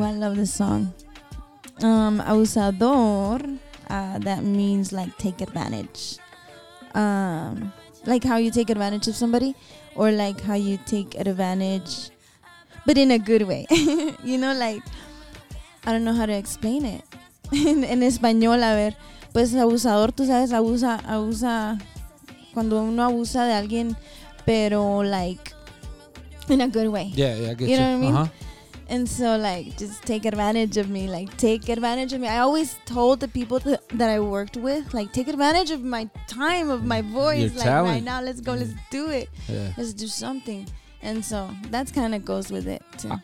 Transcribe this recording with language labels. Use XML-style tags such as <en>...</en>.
<en>I love this song. Abusador, that means like take advantage. Like how you take advantage of somebody, or like how you take advantage, but in a good way. You know, like, I don't know how to explain it.</en> <es>En español, a ver, pues abusador, tú sabes, abusa. Cuando uno abusa de alguien,</es> <en>pero like in a good way. Yeah, yeah, I get you. You know what I mean? Uh-huh. And so like just take advantage of me, like take advantage of me. I always told the people that I worked with, like take advantage of my time, of my voice. Your talent. Right now, let's go, yeah. Let's do it. Yeah. Let's do something. And so that's kind of goes with it too.</en>